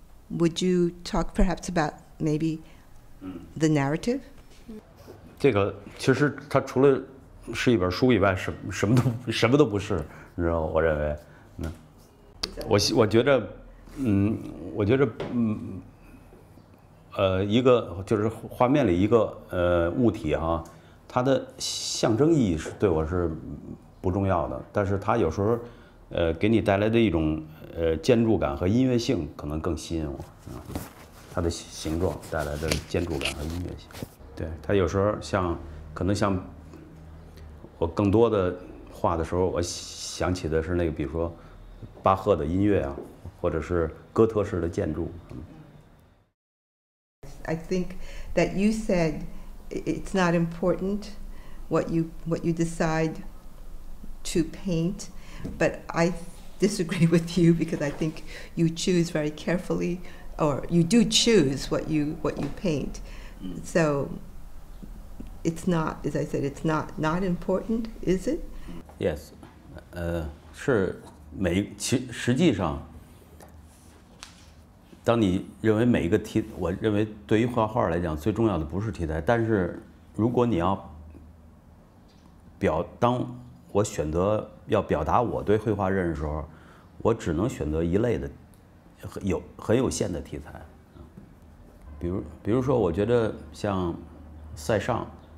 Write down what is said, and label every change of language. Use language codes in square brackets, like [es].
[en] Would you talk perhaps about maybe the narrative? [zh] 这个其实它除了是一本书以外，什么都不是，你知道吗？我认为，我觉得，一个就是画面里一个物体哈、啊，它的象征意义是对我是不重要的，但是它有时候给你带来的一种建筑感和音乐性可能更吸引我啊、它的形状带来的建筑感和音乐性。对，他有时候像，可能像我更多的画的时候，我想起的是那个，比如说巴赫的音乐啊，或者是哥特式的建筑。 [en] I think that you said it's not important what you decide to paint, but I disagree with you because I think you choose very carefully, or you do choose what you paint. So. It's not, as I said, it's not important, is it? [zh] Yes, 是每一其实际上，当你认为每一个题，我认为对于画画来讲最重要的不是题材，但是如果你要当我选择要表达我对绘画认识的时候，我只能选择一类的很有限的题材，比如说，我觉得像塞尚。